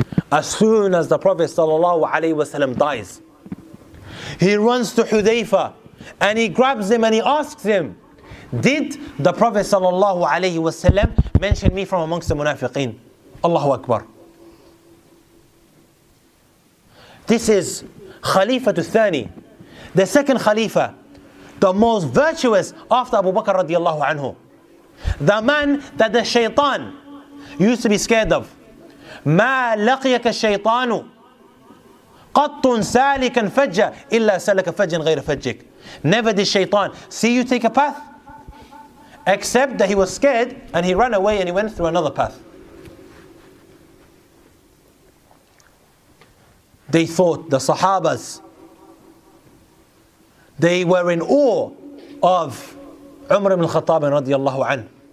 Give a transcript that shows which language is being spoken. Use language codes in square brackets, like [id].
[en] As soon as the Prophet sallallahu alaihi wasallam dies, he runs to Hudhayfa and he grabs him and he asks him, did the Prophet sallallahu alaihi wasallam mention me from amongst the munafiqeen? Allahu Akbar. This is Khalifa al-Thani, the second Khalifa, the most virtuous after Abu Bakr radiallahu anhu. The man that the shaytan used to be scared of. [ar] ما لقيك الشيطان قط سالكا فجا إلا سلك فجا غير فجك. [en] Never did shaytan see you take a path except that he was scared and he ran away and he went through another path. They thought, the Sahabas, they were in awe of Umar ibn al-Khattab radiallahu anhu.